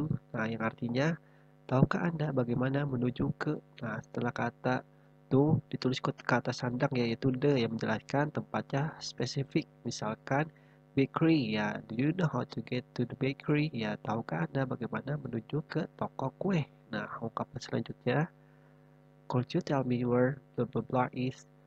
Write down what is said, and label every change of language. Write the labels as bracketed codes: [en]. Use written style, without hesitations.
[id] Nah, yang artinya, tahukah Anda bagaimana menuju ke? Nah, setelah kata to ditulis kata sandang yaitu the yang menjelaskan tempatnya spesifik. [en] Misalkan bakery ya, do you know how to get to the bakery? [id] Ya, tahukah Anda bagaimana menuju ke toko kue? Nah, ungkapan selanjutnya, [en] could you tell me where blah blah blah is?